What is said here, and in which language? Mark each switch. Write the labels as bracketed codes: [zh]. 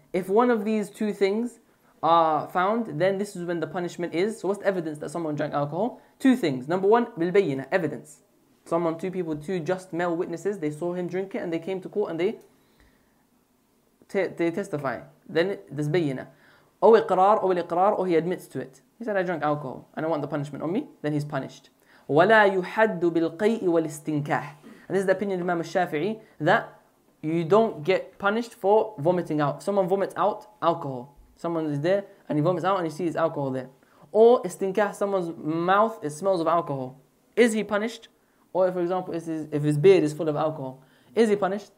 [en] If one of these two things are found, then this is when the punishment is. So what's the evidence that someone drank alcohol? Two things. Number one, بِالْبَيِّنَةِ, evidence. Someone, two people, two just male witnesses, they saw him drink it and they came to court and they testify. Then there's بَيِّنَةِ. [ar] أو إقرار أو الإقرار, [en] or he admits to it. He said, I drank alcohol and I want the punishment on me. Then he's punished. [ar] ولا يحد بالقيء والاستنكاح. [en] And this is the opinion of Imam al-Shafi'i, that you don't get punished for vomiting out. Someone vomits out alcohol. Someone is there and he vomits out and you see his alcohol there. Or استنكاح, someone's mouth, it smells of alcohol. Is he punished? Or if, for example, if his beard is full of alcohol, is he punished?